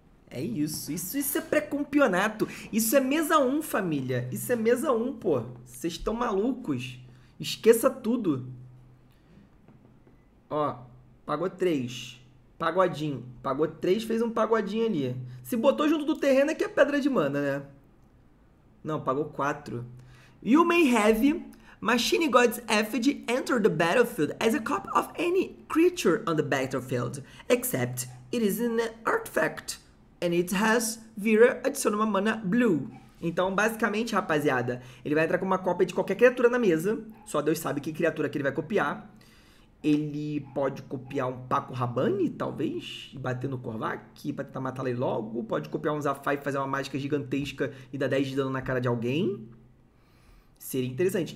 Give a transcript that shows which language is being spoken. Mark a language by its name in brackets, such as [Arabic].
[Portuguese] É isso. Isso é pré-campeonato. Isso é mesa 1, família. Isso é mesa 1, pô. Vocês estão malucos. Esqueça tudo. Ó, pagou 3. Pagodinho. Pagou 3, fez um pagodinho ali. Se botou junto do terreno é que é pedra de mana, né? Não, pagou 4. [English] You may have Machine God's Effigy enter the battlefield as a copy of any creature on the battlefield, except it is an artifact and it has [Portuguese] Vira adiciona uma mana [English] blue. [Portuguese] Então, basicamente, rapaziada, ele vai entrar com uma cópia de qualquer criatura na mesa. Só Deus sabe que criatura que ele vai copiar. Ele pode copiar um Paco Rabanne, talvez, e bater no Korvac pra tentar matar ele logo. Pode copiar um Zafai e fazer uma mágica gigantesca e dar 10 de dano na cara de alguém. Seria interessante.